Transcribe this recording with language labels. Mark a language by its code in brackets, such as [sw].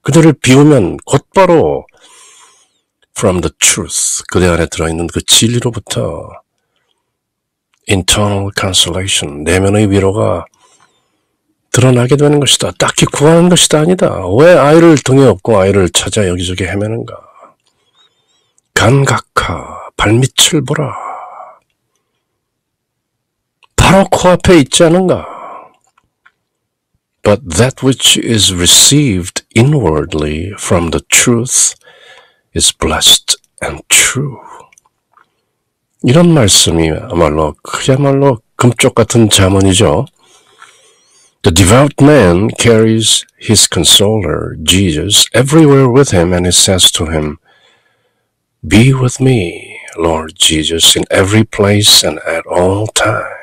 [ko] 그대를 비우면 곧바로 [en] from the truth, [ko] 그대 안에 들어있는 그 진리로부터 [en] internal consolation, [ko] 내면의 위로가 드러나게 되는 것이다. 딱히 구하는 것이다 아니다. 왜 아이를 등에 업고 아이를 찾아 여기저기 헤매는가. 간각하, 발밑을 보라. 바로 코앞에 있지 않은가. [en] But that which is received inwardly from the truth is blessed and true. [ko] 이런 말씀이 아마로 그야말로 금쪽 같은 자문이죠. [en] The devout man carries his consoler, Jesus, everywhere with him, and he says to him, Be with me, Lord Jesus, in every place and at all times.